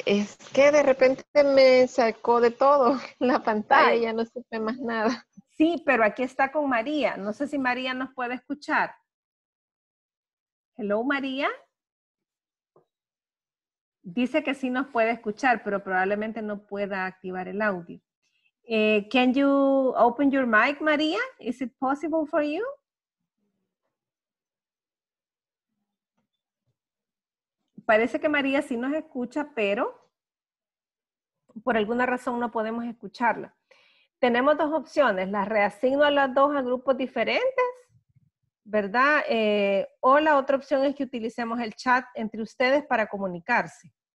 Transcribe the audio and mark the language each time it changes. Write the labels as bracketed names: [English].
[Spanish] Es que de repente me sacó de todo la pantalla. Ya no supe más nada. Sí, pero aquí está con María. No sé si María nos puede escuchar. [English] Hello, María. [Spanish] Dice que sí nos puede escuchar, pero probablemente no pueda activar el audio. [English] Can you open your mic, María? Is it possible for you? [Spanish] parece que María sí nos escucha, pero por alguna razón no podemos escucharla. Tenemos dos opciones, las reasigno a las dos a grupos diferentes, ¿verdad? O la otra opción es que utilicemos el chat entre ustedes para comunicarse.